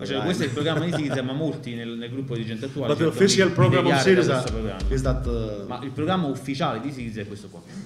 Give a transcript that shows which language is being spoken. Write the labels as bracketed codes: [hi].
[it] Cioè, questo è il programma di Syriza, ma molti nel gruppo di gente attuale. [en] But the official program of Syriza is that. [it] Ma il programma ufficiale di Syriza è questo qua.